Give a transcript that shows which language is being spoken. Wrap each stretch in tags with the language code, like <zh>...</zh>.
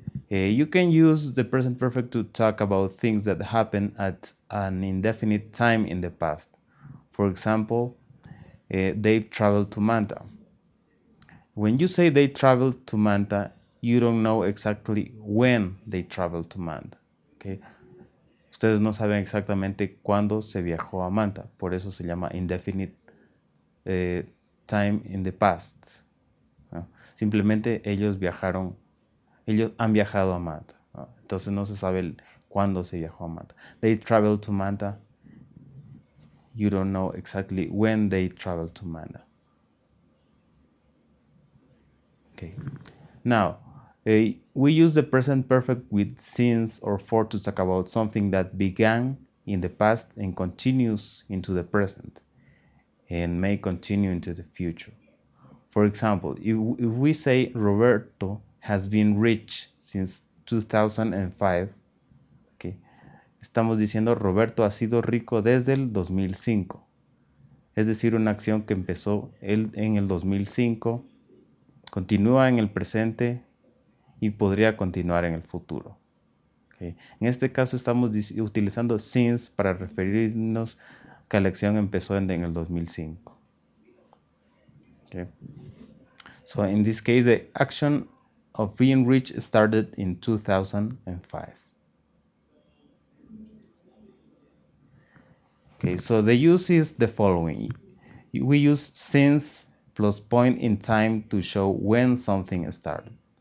<en>You can use the present perfect to talk about things that happen at an indefinite time in the past. For example, they traveled to Manta. When you say they traveled to Manta, you don't know exactly when they traveled to Manta. Okay?</en> <es>Ustedes no saben exactamente cuándo se viajó a Manta. Por eso se llama</es> <en>indefinite time in the past.</en> <es>Simplemente ellos viajaron. Ellos han viajado a Manta, ¿no? Entonces no se sabe cuándo se viajó a Manta.</es> <en>They traveled to Manta. You don't know exactly when they traveled to Manta. Okay. Now, we use the present perfect with since or for to talk about something that began in the past and continues into the present and may continue into the future. For example, if we say Roberto has been rich since 2005. Okay.</en> <es>Estamos diciendo Roberto ha sido rico desde el 2005. Es decir, una acción que empezó en el 2005, continúa en el presente y podría continuar en el futuro. Okay. En este caso estamos utilizando since para referirnos que la acción empezó en el 2005. Okay.</es> <en>So in this case, the action of being rich started in 2005. Okay, so the use is the following. We use since plus point in time to show when something started.</en>